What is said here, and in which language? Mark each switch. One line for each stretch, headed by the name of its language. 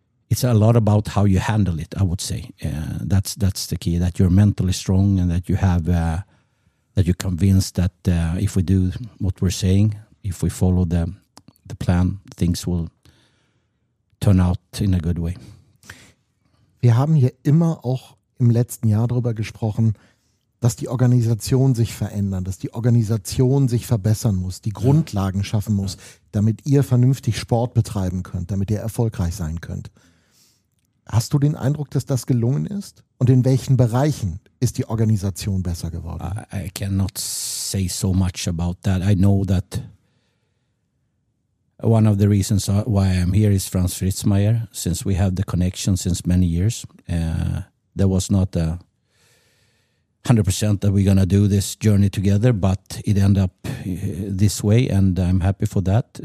English: It's a lot about how you handle it, I would say. That's the key, that you're mentally strong and that you have, that you're convinced that if we do what we're saying, if we follow the plan, things will turn out in a good way.
German: Wir haben hier immer auch im letzten Jahr darüber gesprochen, dass die Organisation sich verändern, dass die Organisation sich verbessern muss, die Grundlagen schaffen muss, damit ihr vernünftig Sport betreiben könnt, damit ihr erfolgreich sein könnt. Hast du den Eindruck, dass das gelungen ist? Und in welchen Bereichen ist die Organisation besser geworden?
English: I cannot say so much about that. I know that one of the reasons why I'm here is Franz Fritzmeier, since we have the connection since many years. There was not a 100% that we're going to do this journey together, but it ended up this way, and I'm happy for that.